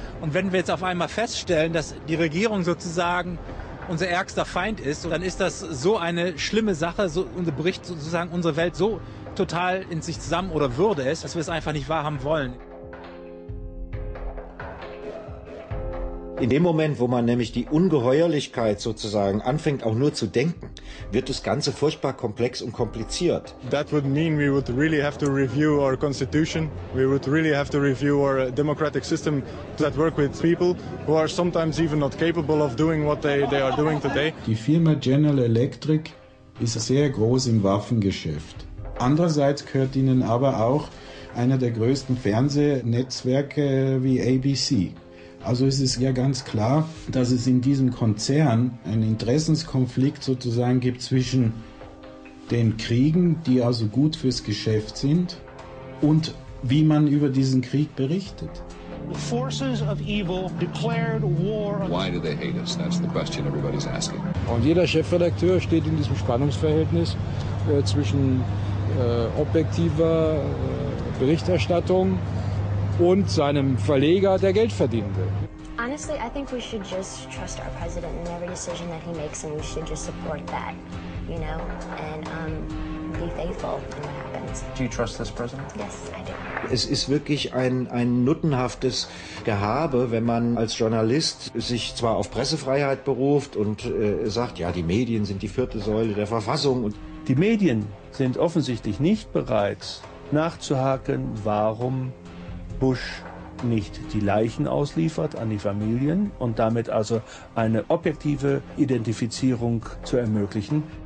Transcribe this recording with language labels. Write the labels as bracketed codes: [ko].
[de] Und wenn wir jetzt auf einmal feststellen, dass die Regierung sozusagen unser ärgster Feind ist, dann ist das so eine schlimme Sache, so und bricht sozusagen unsere Welt so total in sich zusammen oder würde es, dass wir es einfach nicht wahrhaben wollen. In dem Moment, wo man nämlich die Ungeheuerlichkeit sozusagen anfängt, auch nur zu denken, wird das Ganze furchtbar komplex und kompliziert. [en] That would mean we would really have to review our constitution. We would really have to review our democratic system that work with people who are sometimes even not capable of doing what they are doing today. [de] Die Firma General Electric ist sehr groß im Waffengeschäft. Andererseits gehört ihnen aber auch einer der größten Fernsehnetzwerke wie ABC. Also es ist ja ganz klar, dass es in diesem Konzern einen Interessenskonflikt sozusagen gibt zwischen den Kriegen, die also gut fürs Geschäft sind, und wie man über diesen Krieg berichtet. [en] Forces of evil declared war. Why do they hate us? That's the question everybody's asking. [de] Und jeder Chefredakteur steht in diesem Spannungsverhältnis zwischen objektiver Berichterstattung und seinem Verleger, der Geld verdienen will. [en] Honestly, I think we should just trust our president in every decision that he makes, and we should just support that, you know, and be faithful in what happens. Do you trust this president? Yes, I do. [de] Es ist wirklich ein nuttenhaftes Gehabe, wenn man als Journalist sich zwar auf Pressefreiheit beruft und sagt, ja, die Medien sind die vierte Säule der Verfassung. Und die Medien sind offensichtlich nicht bereit, nachzuhaken, warum Bush nicht die Leichen ausliefert an die Familien und damit also eine objektive Identifizierung zu ermöglichen.